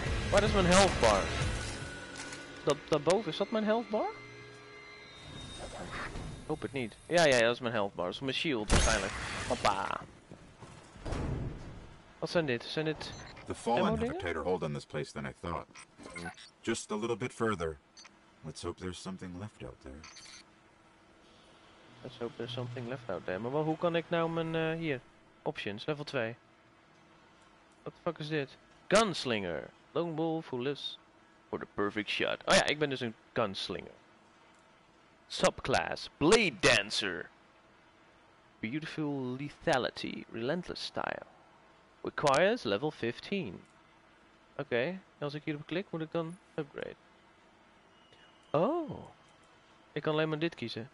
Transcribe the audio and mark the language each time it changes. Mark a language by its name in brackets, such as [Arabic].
[Dutch] Waar is mijn health bar? Daarboven, is dat mijn health bar? Hoop het niet. Ja, ja, ja, dat is mijn health bar. Dat is mijn shield waarschijnlijk. Hoppa! Wat zijn dit? Zijn dit... [English] The fallen have a tighter hold on this place than I thought. Just a little bit further. Let's hope there's something left out there. Let's hope there's something left out there. [Dutch] Maar hoe kan ik nou mijn... hier. [English] Options. Level 2. What the fuck is dit? Gunslinger. Lone wolf who lives for the perfect shot. [Dutch] Oh ja, ik ben dus een gunslinger. [English] Subclass. Blade dancer. Beautiful lethality. Relentless style. Requires level 15. Oké, okay. [Dutch] Als ik hierop klik, moet ik dan upgrade. Oh. Ik kan alleen maar dit kiezen.